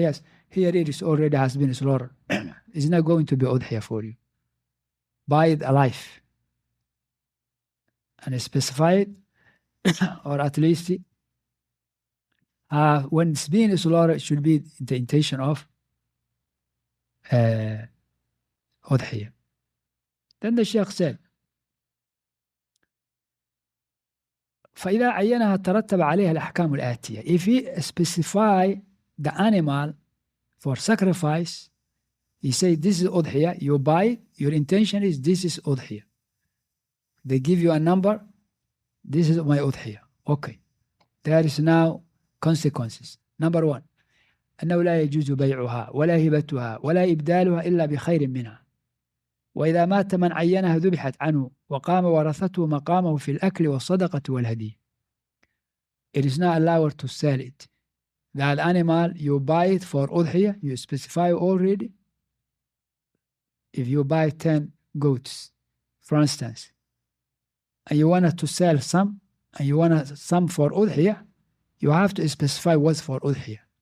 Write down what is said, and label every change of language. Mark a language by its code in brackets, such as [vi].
[en] Yes, here it is already has been slaughtered. It's not going to be udhiyah for you. Buy it alive and specify it, or at least when it's being slaughtered, it should be the intention of udhiyah. Then the Sheikh said, [ar] فإذا عينها ترتب عليها الأحكام الآتية. [en] If he specify the animal for sacrifice, he say this is udhiya, you buy it, your intention is this is udhiya. They give you a number, this is my udhiya. Okay. There is now consequences. Number one, [ar] أنه لا يجوز بيعها ولا هبتها ولا إبدالها إلا بخير منها. وإذا مات من عينها ذبحت عنه وقام ورثته مقامه في الأكل والصدقة والهدي. [en] It is not allowed to sell it. That animal, you buy it for udhiyah, you specify already. If you buy 10 goats, for instance, and you wanted to sell some, and you want some for udhiyah, you have to specify what's for udhiyah.